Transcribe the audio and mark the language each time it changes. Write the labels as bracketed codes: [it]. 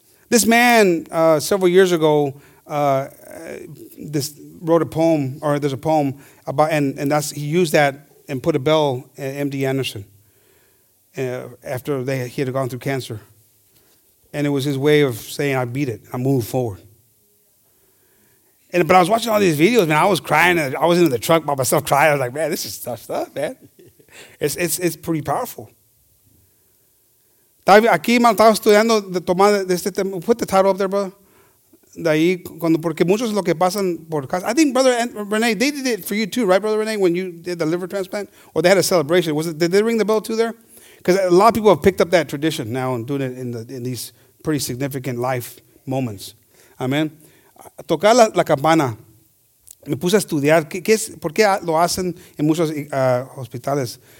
[en] This man, several years ago, this wrote a poem, or there's a poem about, and that's, he used that and put a bell at MD Anderson after he had gone through cancer. And it was his way of saying, I beat it. I'm moving forward. But I was watching all these videos, man. I was crying. I was in the truck by myself crying. I was like, man, this is tough stuff, man. It's pretty powerful. [es] Aquí, man, estaba estudiando de tomar de este tema. [en] Put the title up there, brother. [es] De ahí, cuando, porque muchos lo que pasan por casa. [en] I think, Brother Renee, they did it for you too, right, Brother Renee, when you did the liver transplant? Or they had a celebration. Did they ring the bell too there? Because a lot of people have picked up that tradition now and doing it in these pretty significant life moments. [es] Amen. Tocar la campana. Me puse a estudiar qué es, por qué lo hacen en muchos hospitales.